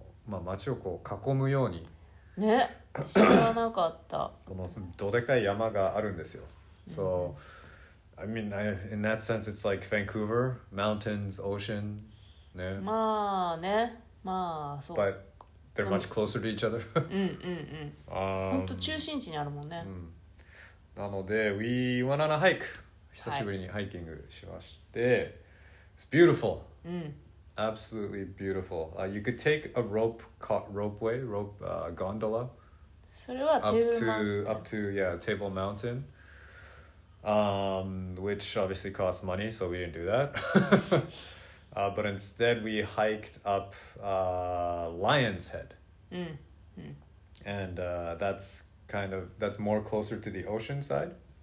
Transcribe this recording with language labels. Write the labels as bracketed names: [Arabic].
[Japanese] まあ町をこう囲むように。ね、知らなかった。このどでかい山があるんですよ。 [English] So, I mean, in that sense, it's like Vancouver, mountains, ocean. [Japanese] ね。まあね、まあそう。 [English] But they're much closer to each other. [Japanese] 本当中心地にあるもんね。 [English] なので、we went on a hike. [Japanese] 久しぶりにハイキングしまして、 [English] It's beautiful. Absolutely beautiful. You could take a ropeway, rope, gondola. [Japanese] それはテーブルマウンテン。 [English] Up to, yeah, Table Mountain. Which obviously costs money, so we didn't do that. but instead, we hiked up Lion's Head. And that's more closer to the ocean side.